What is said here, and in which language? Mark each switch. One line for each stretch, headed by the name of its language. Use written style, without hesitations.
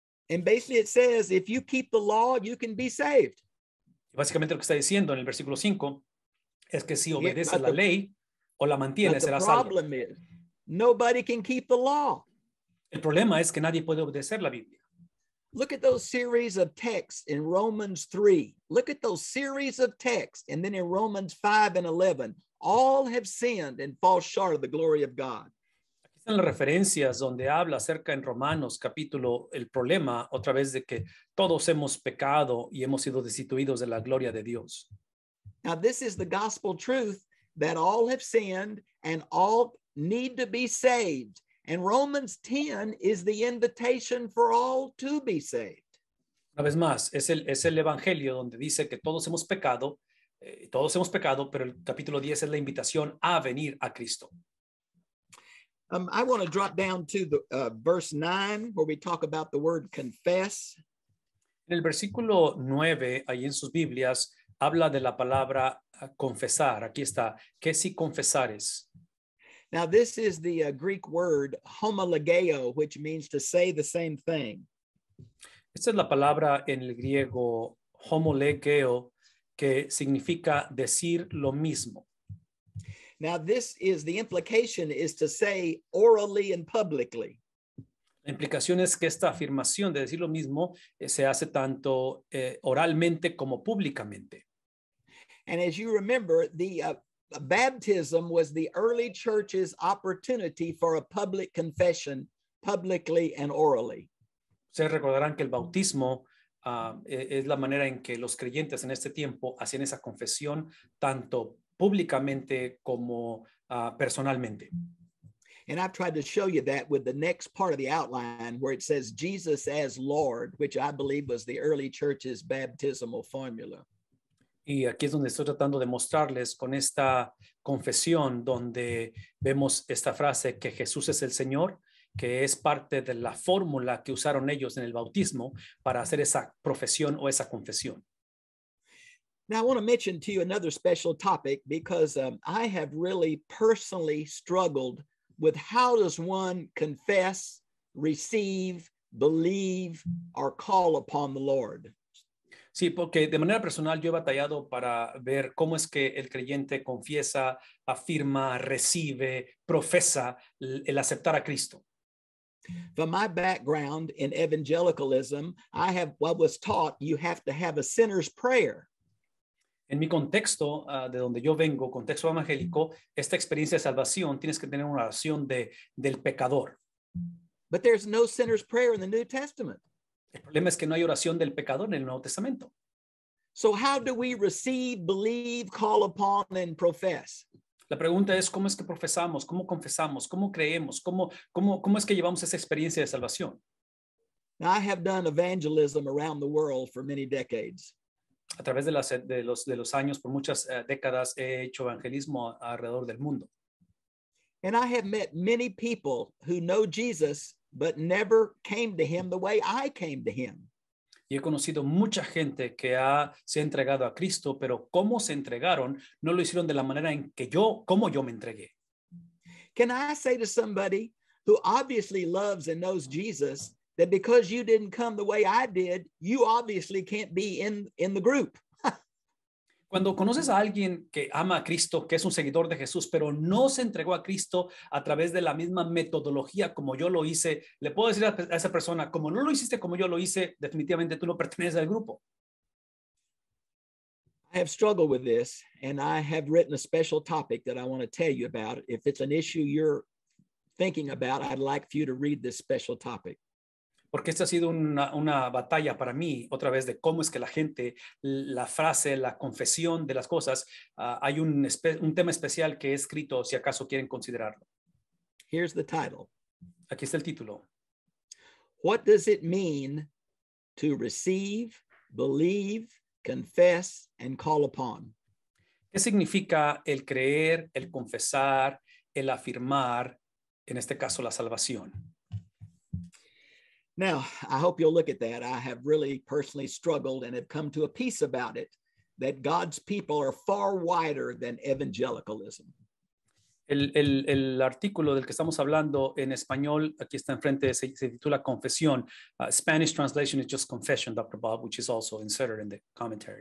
English: And basically it says, if you keep the law, you can be saved.
Spanish: Básicamente lo que está diciendo en el versículo 5 es que si obedeces la ley o la mantienes, serás salvo.
English: Is, nobody can keep the law.
Spanish: El problema es que nadie puede obedecer la Biblia.
English: Look at those series of texts in Romans 3. Look at those series of texts. And then in Romans 5 and 11, all have sinned and fall short of the glory of God.
Spanish: Aquí están las referencias donde habla acerca en Romanos capítulo el problema otra vez de que todos hemos pecado y hemos sido destituidos de la gloria de Dios.
English: Now this is the gospel truth that all have sinned and all need to be saved. And Romans 10 is the invitation for all to be saved.
Spanish: Una vez más, es el evangelio donde dice que todos hemos pecado, pero el capítulo 10 es la invitación a venir a Cristo.
English: I want to drop down to the verse 9 where we talk about the word confess.
Spanish: En el versículo 9, ahí en sus Biblias, habla de la palabra confesar. Aquí está, que si confesares.
English: Now, this is the Greek word homologeo, which means to say the same thing.
Spanish: Esta es la palabra en el griego homologeo, que significa decir lo mismo.
English: Now, this is the implication is to say orally and publicly.
Spanish: La implicación es que esta afirmación de decir lo mismo se hace tanto oralmente como públicamente.
English: And as you remember, the baptism was the early church's opportunity for a public confession, publicly and orally.
Spanish: Se recordarán que el bautismo es la manera en que los creyentes en este tiempo hacían esa confesión, tanto públicamente como personalmente.
English: And I've tried to show you that with the next part of the outline where it says Jesus as Lord, which I believe was the early church's baptismal formula.
Spanish: Y aquí es donde estoy tratando de mostrarles con esta confesión donde vemos esta frase que Jesús es el Señor, que es parte de la fórmula que usaron ellos en el bautismo para hacer esa profesión o esa confesión.
English: Now I want to mention to you another special topic because I have really personally struggled with how does one confess, receive, believe, or call upon the Lord.
Spanish: Sí, porque de manera personal yo he batallado para ver cómo es que el creyente confiesa, afirma, recibe, profesa el aceptar a Cristo.
English: From my background in evangelicalism, I have what was taught you have to have a sinner's prayer.
Spanish: En mi contexto, de donde yo vengo, contexto evangélico, esta experiencia de salvación tienes que tener una oración del pecador.
English: But there's no sinner's prayer in the New Testament.
Spanish: El problema es que no hay oración del pecador en el Nuevo Testamento.
English: So how do we receive, believe, call upon, and profess?
Spanish: La pregunta es, ¿cómo es que profesamos? ¿Cómo confesamos? ¿Cómo creemos? ¿Cómo es que llevamos esa experiencia de salvación?
English: Now, I have done evangelism around the world for many decades.
Spanish: A través de los años, por muchas décadas, he hecho evangelismo alrededor del mundo.
English: And I have met many people who know Jesus but never came to him the way I came to him.
Spanish: Y he conocido mucha gente que se ha entregado a Cristo, pero cómo se entregaron, no lo hicieron de la manera en que yo me entregué.
English: Can I say to somebody who obviously loves and knows Jesus that because you didn't come the way I did, you obviously can't be in the group?
Spanish: Cuando conoces a alguien que ama a Cristo, que es un seguidor de Jesús, pero no se entregó a Cristo a través de la misma metodología como yo lo hice, le puedo decir a esa persona, como no lo hiciste como yo lo hice, definitivamente tú no perteneces al grupo.
English: I have struggled with this, and I have written a special topic that I want to tell you about. If it's an issue you're thinking about, I'd like for you to read this special topic.
Spanish: Porque esta ha sido una batalla para mí, otra vez, de cómo es que la gente, la frase, la confesión de las cosas, hay un tema especial que he escrito, si acaso quieren considerarlo.
English: Here's the title.
Spanish: Aquí está el título.
English: What does it mean to receive, believe, confess, and call upon?
Spanish: ¿Qué significa el creer, el confesar, el afirmar, en este caso, la salvación?
English: Now, I hope you'll look at that. I have really personally struggled and have come to a peace about it, that God's people are far wider than evangelicalism.
Spanish: El artículo del que estamos hablando en español, aquí está enfrente, se titula Confesión.
English: Spanish translation is just Confession, Dr. Bob, which is also inserted in the commentary.